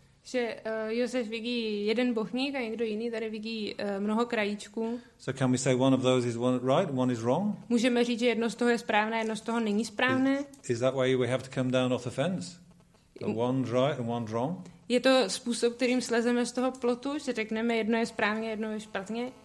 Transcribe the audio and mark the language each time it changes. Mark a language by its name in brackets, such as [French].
[Czech] Že Josef vidí jeden bochník a někdo jiný tady vidí mnoho krajíčků. [English] So can we say one of those is one right, one is wrong? [Czech] Můžeme říct, že jedno z toho je správné, jedno z toho není správné? [English] Is that why we have to come down off the fence? One's right and one's wrong? [Czech] Je to způsob, kterým slezeme z toho plotu, že řekneme jedno je správně, jedno je špatně?